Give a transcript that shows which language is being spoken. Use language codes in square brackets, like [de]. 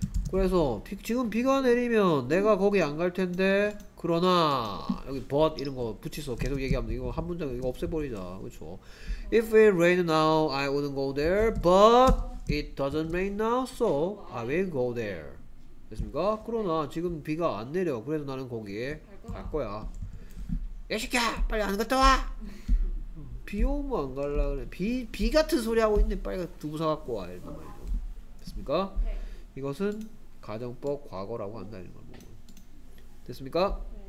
[ko] 그래서 지금 비가 내리면 내가 거기 안 갈 텐데 그러나 여기 but 이런 거 붙이서 계속 얘기하면 이거 한 문장 이거 없애버리자 그렇죠? [en] If it rain now, I wouldn't go there. But it doesn't rain now, so I will go there. [ko] 됐습니까? 그러나 지금 비가 안 내려 그래서 나는 거기에 갈 거야. 야 새끼야 빨리 안 갔다 와. 비 오면 안 갈라 그래. 비 같은 소리 하고 있네. 빨리 두부 사 갖고 와. 이런 말이죠. 됐습니까? 이것은 가정법 과거라고 한다는 걸 보고 됐습니까?